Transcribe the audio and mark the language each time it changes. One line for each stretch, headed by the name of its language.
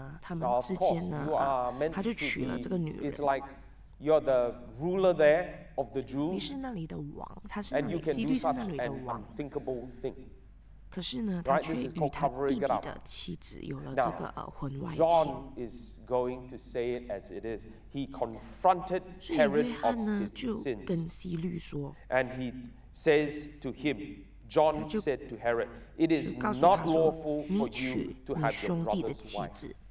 English: Of course, you are meant to be. It's like you're the ruler there of the Jews, and you can do such an unthinkable thing.
Chinese: 可是呢，他却与他弟弟的妻子有了这个婚外情。
English: John is going to say it as it is. He confronted Herod of his sins, and he says to him, John said to Herod, "It is not lawful for you to have your brother's wife."